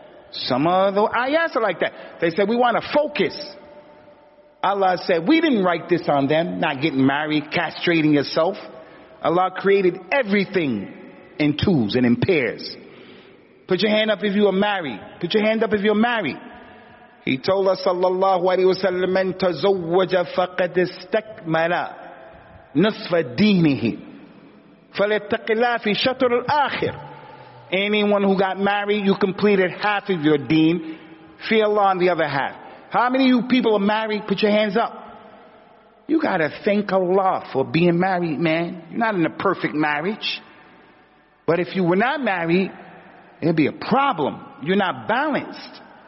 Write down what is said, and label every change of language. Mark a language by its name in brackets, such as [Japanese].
[English] Some of the ayahs are like that. They said, we want to focus. Allah said, we didn't write this on them, not getting married, castrating yourself. Allah created everything in twos and in pairs. Put your hand up if you are married. Put your hand up if you're married. He told us, sallallahu alayhi wa sallam, [Arabic] من تزوج فقد استكمل نصف دينه فليتق الله في شطر الآخر. [English] Anyone who got married, you completed half of your deen. Fear Allah on the other half. How many of you people are married? Put your hands up. You got to thank Allah for being married, man. You're not in a perfect marriage. But if you were not married, it'd be a problem. You're not balanced.